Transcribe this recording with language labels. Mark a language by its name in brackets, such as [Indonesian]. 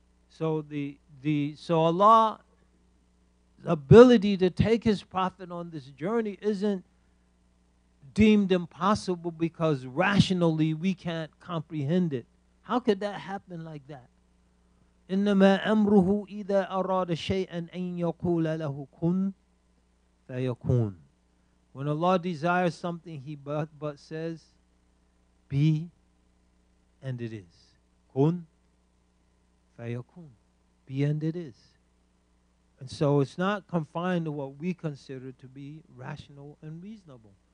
[English] So so Allah's ability to take His Prophet on this journey isn't deemed impossible because rationally we can't comprehend it. How could that happen like that? [Arabic] إِنَّمَا أَمْرُهُ إِذَا أَرَادَ شَيْئًا أَن يَقُولَ لَهُ كُنْ فَيَكُونَ. [English] When Allah desires something, He but says, be, and it is. [Arabic] كُنْ فَيَكُونَ. [English] Be and it is. And so it's not confined to what we consider to be rational and reasonable.